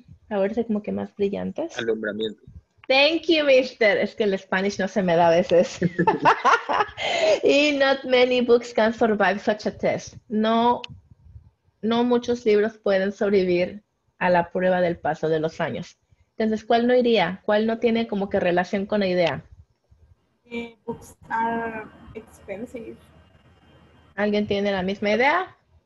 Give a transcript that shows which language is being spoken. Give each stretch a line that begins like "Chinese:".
Spanish: A verse como que más brillantes. Alumbramiento.
English: Thank you, mister.
Spanish: Es que el Spanish no se me da a veces.
English: Y not many books can survive such a test.
Spanish: No muchos libros pueden sobrevivir a la prueba del paso de los años. Entonces, ¿cuál no iría? ¿Cuál no tiene como que relación con la idea?
English: Books are expensive.
Spanish: ¿Alguien tiene la misma idea?